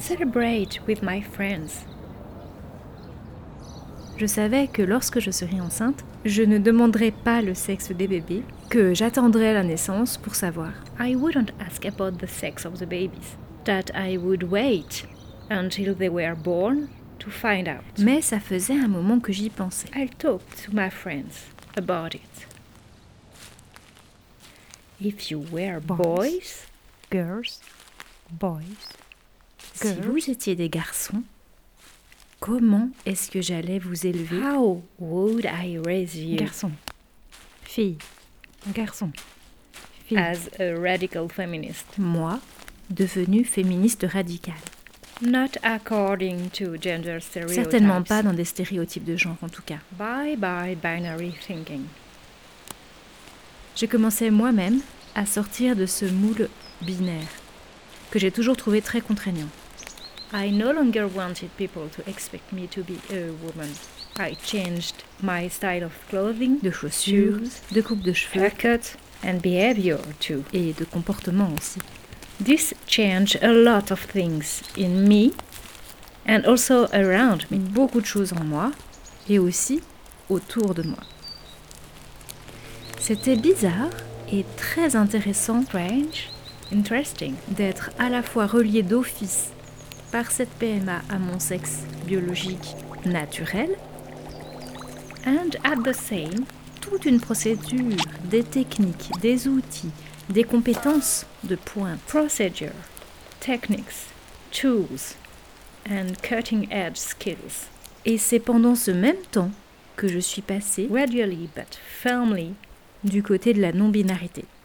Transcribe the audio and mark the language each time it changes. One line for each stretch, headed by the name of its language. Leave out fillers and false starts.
English: Celebrate with my friends.
French: Je savais que lorsque je serai enceinte, je ne demanderai pas le sexe des bébés, que j'attendrai la naissance pour savoir.
English: I wouldn't ask about the sex of the babies. That I would wait until they were born to find out.
French: Mais ça faisait un moment que j'y pensais.
English: I'll talk to my friends about it. If you were boys, girls. Boys, girls.
French: Si vous étiez des garçons, comment est-ce que j'allais vous élever?
English: How would I raise you?
French: Garçon, fille, garçon,
English: fille. As a radical feminist.
French: Moi, devenue féministe radicale.
English: Not according to gender stereotypes.
French: Certainement pas dans des stéréotypes de genre, en tout cas.
English: Bye bye binary thinking.
French: Je commençais moi-même à sortir de ce moule binaire. Que j'ai toujours trouvé très contraignant.
English: I no longer wanted people to expect me to be a woman. I changed my style of clothing,
French: de chaussures, shoes, de coupe de cheveux,
English: haircut, and behavior too.
French: Et de comportement aussi.
English: This changed a lot of things in me and also around me.
French: Beaucoup de choses en moi et aussi autour de moi. C'était bizarre et très intéressant.
English: Strange. Interesting.
French: D'être à la fois relié d'office par cette PMA à mon sexe biologique naturel
English: and at the same
French: toute une procédure, des techniques, des outils, des compétences de pointe.
English: Procedure, techniques, tools and cutting edge skills.
French: Et c'est pendant ce même temps que je suis passée
English: gradually but firmly
French: du côté de la non-binarité.